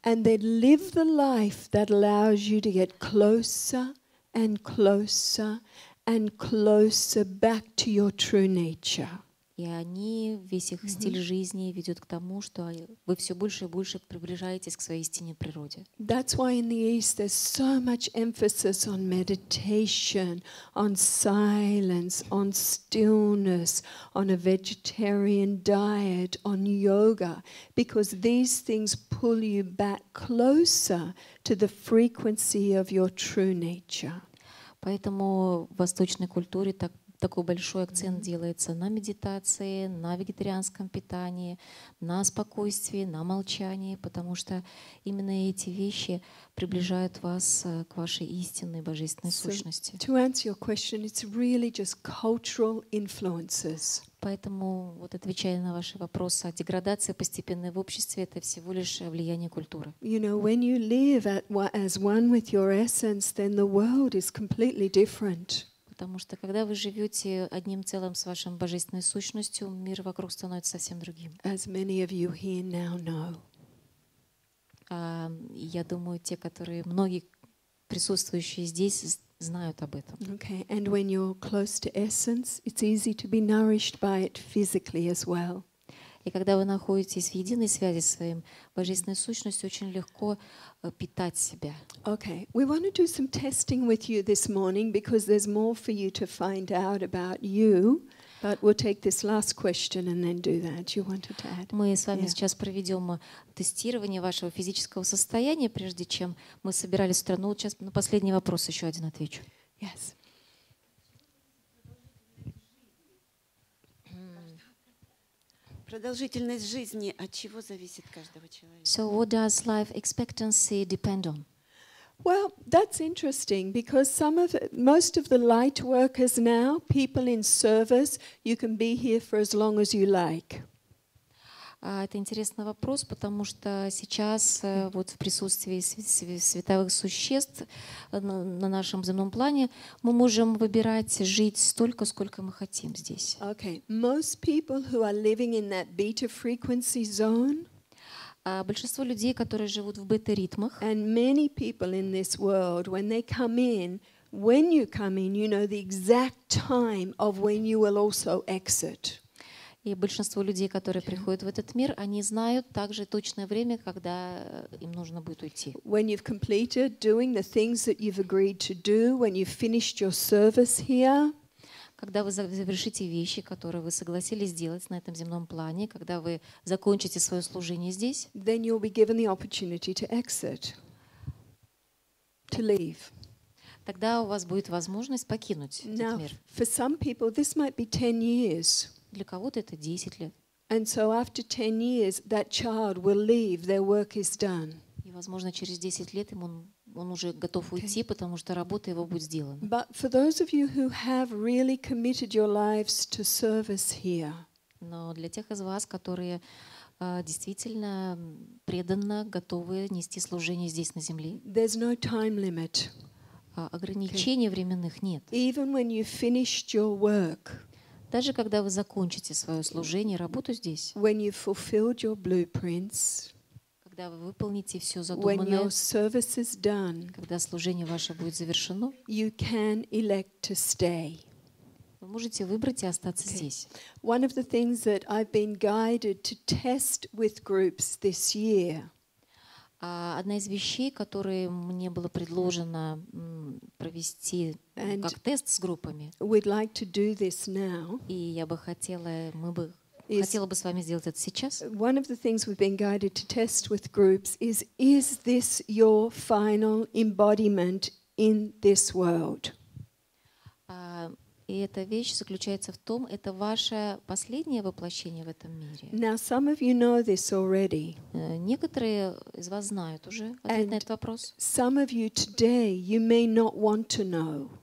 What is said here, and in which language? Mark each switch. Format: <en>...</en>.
<en>And then live the life that allows you to get closer and closer and closer back to your true nature.</en> <ru>И они весь их стиль жизни ведет к тому, что вы все больше и больше приближаетесь к своей истинной природе.</ru> <en>That's why in the East there's so much emphasis on meditation, on silence, on stillness, on a vegetarian diet, on yoga, because these things pull you back closer to the frequency of your true nature.</en> <ru>Поэтому в восточной культуре так такой большой акцент делается на медитации, на вегетарианском питании, на спокойствии, на молчании, потому что именно эти вещи приближают вас к вашей истинной божественной сущности.</ru> <en>So, to answer your question, it's really just cultural influences.</en> <ru>Поэтому, вот отвечая на ваши вопросы о деградации постепенной в обществе, это всего лишь влияние культуры.</ru> <en>You know, when you live as one with your essence, then the world is completely different.</en> <ru>Потому что когда вы живете одним целым с вашим божественной сущностью, мир вокруг становится совсем другим.</ru> <en>As many of you here now know.</en> <ru>Я думаю, те, которые многие присутствующие здесь, знают об этом.</ru> <en>Okay. And when you're close to essence, it's easy to be nourished by it physically as well.</en> <ru>И когда вы находитесь в единой связи со своим божественной сущностью, очень легко питать себя.</ru> <en>Okay, we want to do some testing with you this morning because there's more for you to find out about you. But we'll take this last question and then do that. You wanted to add.</en> <ru>Мы с вами сейчас проведем тестирование вашего физического состояния, прежде чем мы собирали страну. Сейчас на последний вопрос еще один отвечу.</ru> <en>Yes.</en> <ru>Продолжительность жизни от чего зависит каждого человека?</ru> <en>So what does life expectancy depend on? Well, that's interesting because most of the light workers now, people in service, you can be here for as long as you like.</en> <ru>Это интересный вопрос, потому что сейчас вот в присутствии световых существ на нашем земном плане мы можем выбирать жить столько, сколько мы хотим здесь.</ru> <en>Okay. Most people who are living in that beta frequency zone.</en> <ru>Большинство людей, которые живут в бета-ритмах.</ru> <en>And many people in this world, when they come in, when you come in, you know the exact time of when you will also exit.</en> <ru>И большинство людей, которые приходят в этот мир, они знают также точное время, когда им нужно будет уйти.</ru> <en>When you've completed doing the things that you've agreed to do, when you've finished your service here.</en> <ru>Когда вы завершите вещи, которые вы согласились сделать на этом земном плане, когда вы закончите свое служение здесь,</ru> <en>then you'll be given the opportunity to exit, to leave.</en> <ru>Тогда у вас будет возможность покинуть</ru> <en>Now,</en> <ru>этот мир.</ru> <en>For some people, this might be 10 years.</en> <ru>Для кого-то это 10 лет.</ru> <en>And so after 10 years, that child will leave. Their work is done.</en> <ru>И, возможно, через 10 лет ему он уже готов уйти, потому что работа его будет сделана.</ru> <en>But for those of you who have really committed your lives to service here.</en> <ru>Но для тех из вас, которые действительно преданно готовы нести служение здесь на земле.</ru> <en>There's no time limit.</en> <ru>Ограничений временных нет.</ru> <en>Even when you finished your work.</en> <ru>Даже когда вы закончите свое служение, работу здесь.</ru> <en>When you fulfilled your blueprints.</en> <ru>Когда вы выполните все задуманное, когда служение ваше будет завершено,</ru> <en>you can elect to stay.</en> <ru>Вы можете выбрать и остаться здесь.</ru> <en>One of the things that I've been guided to test with groups this year.</en> <ru>Одна из вещей, которую мне было предложено провести как тест с группами,</ru> <en>we'd like to do this now.</en> <ru>И я бы хотела, мы бы хотела бы с вами сделать это сейчас.</ru> <en>One of the things we've been guided to test with groups is this your final embodiment in this world?</en> <ru>И эта вещь заключается в том, это ваше последнее воплощение в этом мире.</ru> <en>Now some of you know this already.</en> <ru>Некоторые из вас знают уже ответ на этот вопрос.</ru> <en>Some of you today you may not want to know.</en>